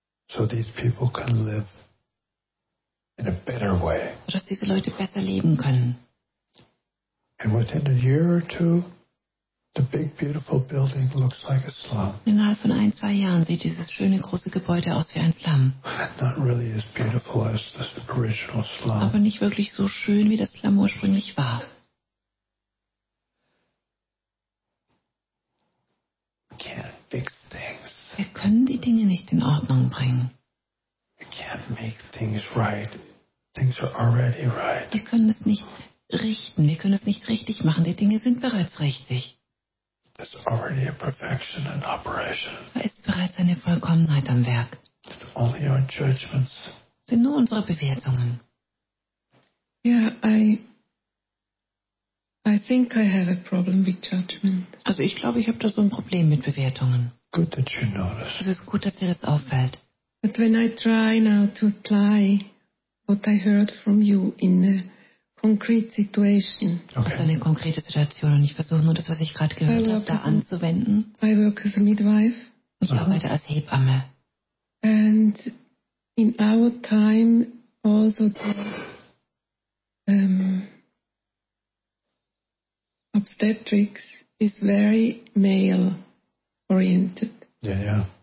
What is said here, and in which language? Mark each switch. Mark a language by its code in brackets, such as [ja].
[en] So these people can live in a better way. [de] Dass diese Leute besser leben können. [en] And within a year or two, the big, beautiful building looks like a slum. [de] Innerhalb von ein, zwei Jahren sieht dieses schöne, große Gebäude aus wie ein Slum. [en] Not really as beautiful as the original slum. [de] Aber nicht wirklich so schön, wie das Slum ursprünglich war. [en] We can't fix things. [de] Wir können die Dinge nicht in Ordnung bringen. [en] We can't make things right. Things are already right. [de] Wir können es nicht richten. Wir können es nicht richtig machen. Die Dinge sind bereits richtig. [en] There's already a perfection in operation. [de] Da ist bereits eine Vollkommenheit am Werk. [en] It's only our judgments. [de] Sind nur unsere Bewertungen. [en] Yeah, I think I have a problem with judgment. [de] Also ich glaube, ich habe da so ein Problem mit Bewertungen. [en] Good that you notice. [de] Es ist gut, dass dir das auffällt. [en] But when I try now to apply what I heard from you in a concrete situation. Okay. [de] Also eine konkrete Situation und ich versuche nur das, was ich gerade gehört habe, da anzuwenden. [en] I work as a midwife. [de] Ich arbeite als Hebamme. [en] And in our time also the obstetrics is very male oriented. Yeah.